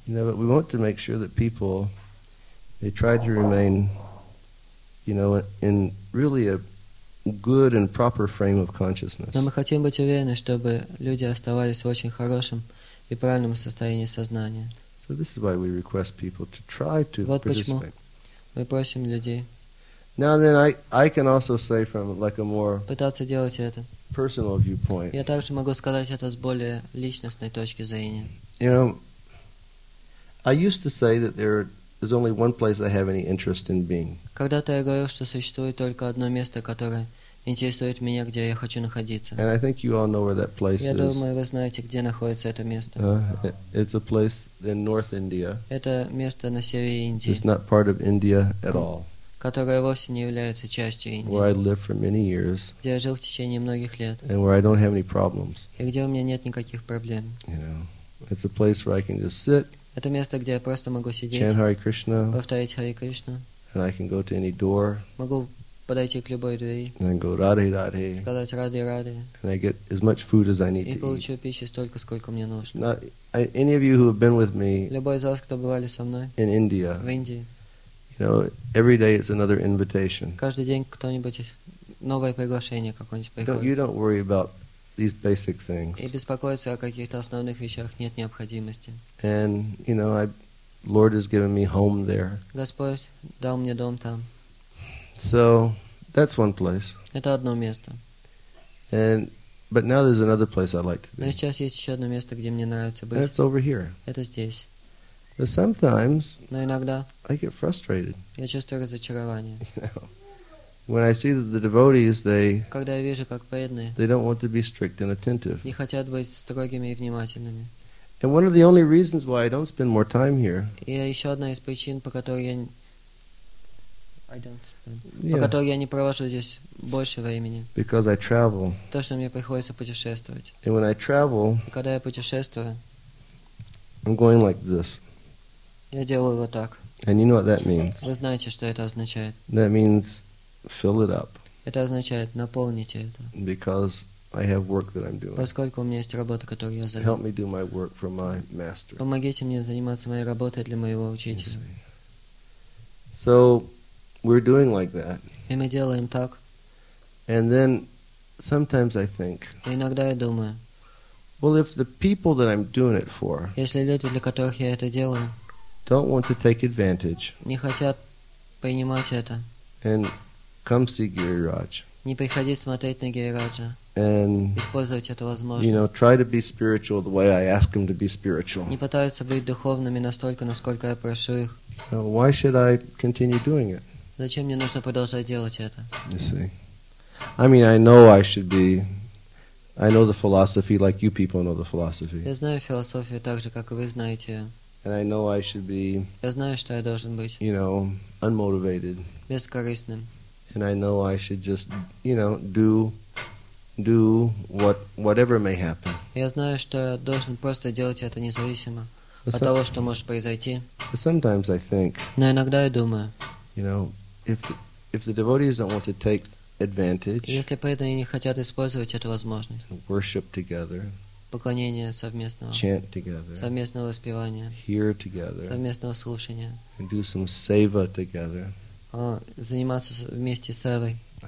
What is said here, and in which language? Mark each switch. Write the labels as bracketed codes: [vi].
[en] You know, but we want to make sure that people, they try to remain, you know, in really a good and proper frame of consciousness. [ru] Но мы хотим быть уверены, чтобы люди оставались в очень хорошем и правильном состоянии сознания. [en] So this is why we request people to try to [ru] вот [en] participate. [ru] Мы просим людей. [en] Now then, I can also say from like a more [ru] пытаться делать это [en] personal viewpoint. [ru] Я также могу сказать это с более личностной точки зрения. [en] You know, I used to say that there is only one place I have any interest in being. [ru] Когда-то я говорил, что существует только одно место, которое интересует меня, где я хочу находиться. [en] And I think you all know where that place [ru] я [en] is. [ru] Я думаю, вы знаете, где находится это место. [en] It's a place in North India. [ru] Это место на севере Индии. [en] It's not part of India at all. [ru] Которое вовсе не является частью Индии. [en] Where I lived for many years. [ru] Где я жил в течение многих лет. [en] And where I don't have any problems. [ru] И где у меня нет никаких проблем. [en] You know, it's a place where I can just sit. [ru] Это место, где я просто могу сидеть. [en] Chant Hare Krishna. [ru] Повторять Hare Krishna. [en] And I can go to any door. [ru] Могу подойти к любой двери. [en] And I go Radhe Radhe. [ru] Сказать Radhe Radhe. [en] And I get as much food as I need to eat. [ru] И получу пищи столько, сколько мне нужно. [en] Any of you who have been with me. [ru] Любой из вас, кто бывали со мной. [en] In India. [ru] В Индии. [en] You know, every day it's another invitation. [ru] Каждый день кто-нибудь новое приглашение какое-нибудь приходит. [en] You don't worry about these basic things. [ru] И беспокоиться о каких-то основных вещах нет необходимости. [en] And you know, Lord has given me home there. [ru] Господь дал мне дом там. [en] So that's one place. [ru] Это одно место. [en] But now there's another place I'd like to be. [ru] Но сейчас есть еще одно место, где мне нравится быть. [en] And it's over here. [ru] Это здесь. [en] But sometimes [ru] но иногда [en] I get frustrated. [ru] Я чувствую разочарование. [en] You know, When I see that the devotees, [ru] когда я вижу, как преданные, [en] they don't want to be strict and attentive. [ru] Не хотят быть строгими и внимательными. [en] And one of the only reasons why I don't spend more time here. [ru] И еще одна из причин, по которой я по которой я не провожу здесь больше времени. [en] Because I travel. [ru] То, что мне приходится путешествовать. [en] And when I travel, [ru] когда я путешествую, [en] I'm going like this. [ru] Я делаю вот так. [en] And you know what that means? [ru] Вы знаете, что это означает? [en] That means fill it up. [ru] Это означает наполните это. [en] Because I have work that I'm doing. [ru] Поскольку у меня есть работа, которую я занимаюсь. [en] Help me do my work for my master. [ru] Помогите мне заниматься моей работой для моего учителя. [en] So we're doing like that. [ru] И мы делаем так. [en] And then sometimes I think. [ru] И иногда я думаю. [en] Well, if the people that I'm doing it for. [ru] Если люди, для которых я это делаю. [en] Don't want to take advantage. [ru] Не хотят принимать это. [en] And come see Гирирадж. [ru] Не приходить смотреть на Гирираджа. [en] And [ru] использовать эту возможность. [en] You know, try to be spiritual the way I ask them to be spiritual. [ru] Не пытаются быть духовными настолько, насколько я прошу их. [en] Now, why should I continue doing it? [ru] Зачем мне нужно продолжать делать это? [en] You see, I mean, I know I should be. I know the philosophy like you people know the philosophy. [ru] Я знаю философию так же, как и вы знаете. [en] And I know I should be. [ru] Я знаю, что я должен быть. [en] You know, unmotivated. [ru] Бескорыстным. [en] And I know I should just, you know, do what whatever may happen. [ru] Я знаю, что я должен просто делать это независимо от того, что может произойти. [en] But sometimes I think. [ru] Но иногда я думаю. [en] You know, if the devotees don't want to take advantage. [ru] Если преданные не хотят использовать эту возможность. [en] Worship together. [ru] Поклонение совместного. [en] Chant together. [ru] Совместного воспевания. [en] Hear together. [ru] Совместного слушания. [en] And do some seva together. [ru] Заниматься вместе севой.